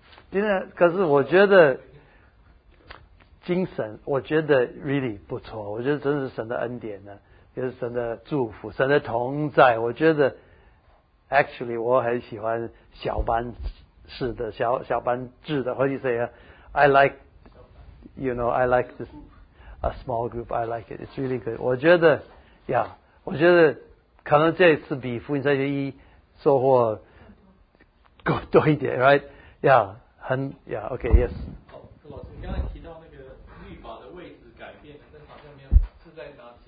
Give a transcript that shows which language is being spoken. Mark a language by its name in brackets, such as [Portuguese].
[Chinese] 今天可是我觉得精神，我觉得 really 不错，我觉得真是神的恩典呢，也是神的祝福，神的同在。我觉得 actually 我很喜欢小班式的小班制的，或者是 [English] I like。 You know, I like this, a small group. I like it. It's really good. [Chinese] 我觉得 ，Yeah， 我觉得可能这一次比福音赛学一收获更多一点 ，Right？ [English] Yeah， 很 ，Yeah， OK， Yes。 [Chinese] 老师，你刚才提到那个律法的位置改变，但好像没有是在哪？